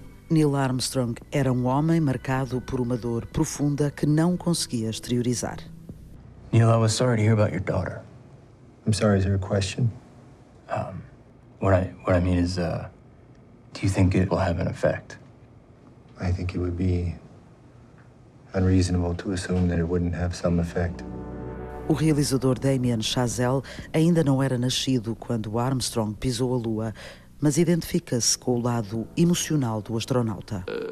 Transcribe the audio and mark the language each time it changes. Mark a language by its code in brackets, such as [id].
[pt] Neil Armstrong era um homem marcado por uma dor profunda que não conseguia exteriorizar. [en] Neil, I was sorry to hear about your daughter. I'm sorry, is there a question? What I mean is, do you think it will have an effect? I think it would be unreasonable to assume that it wouldn't have some effect. [pt] O realizador Damien Chazelle ainda não era nascido quando Armstrong pisou a Lua, mas identifica-se com o lado emocional do astronauta.